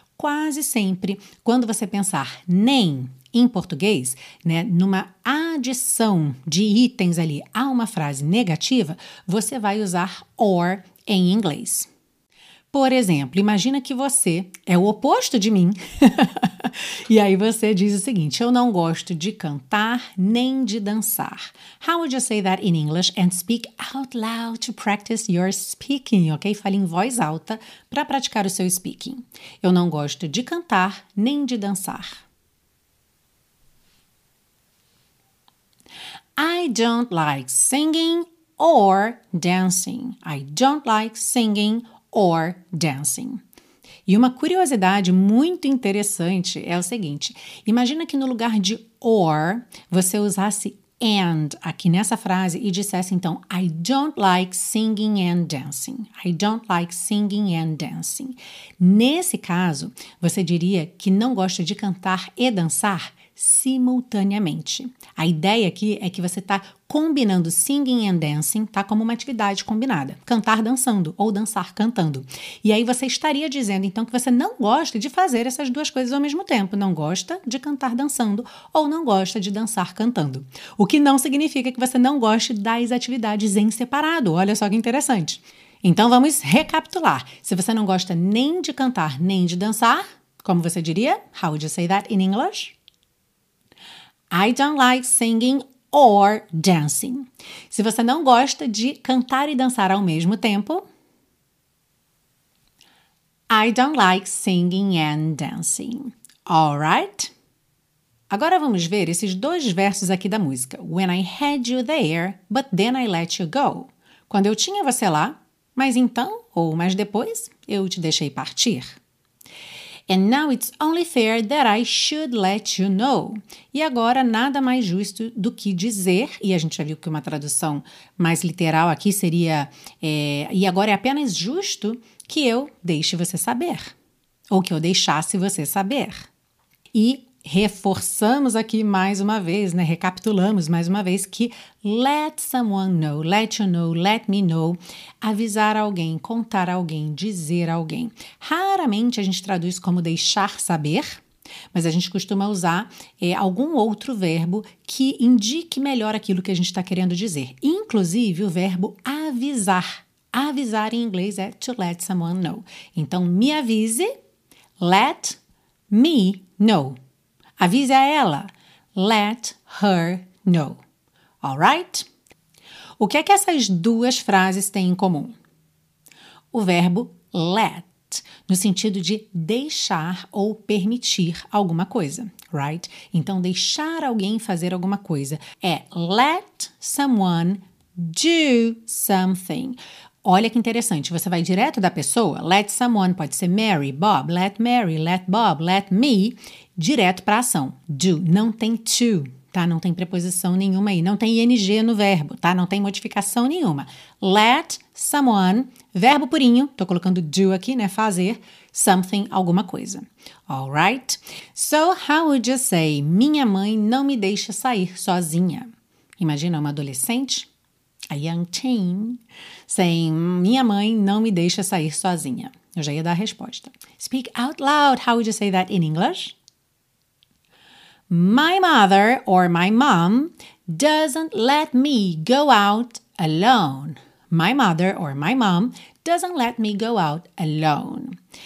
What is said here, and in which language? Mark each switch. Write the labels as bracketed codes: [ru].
[pt] Quase sempre, quando você pensar nem em português, né, numa adição de itens ali a uma frase negativa, você vai usar or em inglês. Por exemplo, imagina que você é o oposto de mim. E aí você diz o seguinte, eu não gosto de cantar nem de dançar. [en] How would you say that in English and speak out loud to practice your speaking, ok? [pt] Fale em voz alta para praticar o seu speaking. Eu não gosto de cantar nem de dançar. [en] I don't like singing or dancing. I don't like singing or dancing. [pt] E uma curiosidade muito interessante é o seguinte. Imagina que no lugar de or, você usasse and aqui nessa frase e dissesse então, [en] I don't like singing and dancing. I don't like singing and dancing. [pt] Nesse caso, você diria que não gosta de cantar e dançar simultaneamente. A ideia aqui é que você está combinando singing and dancing, tá, como uma atividade combinada. Cantar dançando ou dançar cantando. E aí você estaria dizendo, então, que você não gosta de fazer essas duas coisas ao mesmo tempo. Não gosta de cantar dançando ou não gosta de dançar cantando. O que não significa que você não goste das atividades em separado. Olha só que interessante. Então, vamos recapitular. Se você não gosta nem de cantar nem de dançar, como você diria? [en] How would you say that in English? I don't like singing or dancing. [pt] Se você não gosta de cantar e dançar ao mesmo tempo, [en] I don't like singing and dancing. All right? [pt] Agora vamos ver esses dois versos aqui da música. [en] When I had you there, but then I let you go. [pt] Quando eu tinha você lá, mas então, ou mas depois, eu te deixei partir. [en] And now it's only fair that I should let you know. [pt] E agora nada mais justo do que dizer, e a gente já viu que uma tradução mais literal aqui seria, e agora é apenas justo que eu deixe você saber, ou que eu deixasse você saber. E reforçamos aqui mais uma vez, né? Recapitulamos mais uma vez que let someone know, let you know, let me know, avisar alguém, contar alguém, dizer alguém. Raramente a gente traduz como deixar saber, mas a gente costuma usar algum outro verbo que indique melhor aquilo que a gente está querendo dizer. Inclusive o verbo avisar. Avisar em inglês é to let someone know. Então me avise, [en] let me know. [pt] Avise a ela, [en] let her know, all right? [pt] O que é que essas duas frases têm em comum? O verbo let, no sentido de deixar ou permitir alguma coisa, right? Então, deixar alguém fazer alguma coisa é let someone do something. Olha que interessante, você vai direto da pessoa, let someone, pode ser Mary, let Bob, let me, direto para a ação, do, não tem to, tá? Não tem preposição nenhuma aí, não tem ing no verbo, tá? Não tem modificação nenhuma, let someone, verbo purinho, tô colocando do aqui, né, fazer, something, alguma coisa, alright? [en] So, how would you say, [pt] minha mãe não me deixa sair sozinha? Imagina uma adolescente, [en] a young teen, saying, [pt] minha mãe não me deixa sair sozinha. Eu já ia dar a resposta. [en] Speak out loud. How would you say that in English? My mother or my mom doesn't let me go out alone. My mother or my mom doesn't let me go out alone.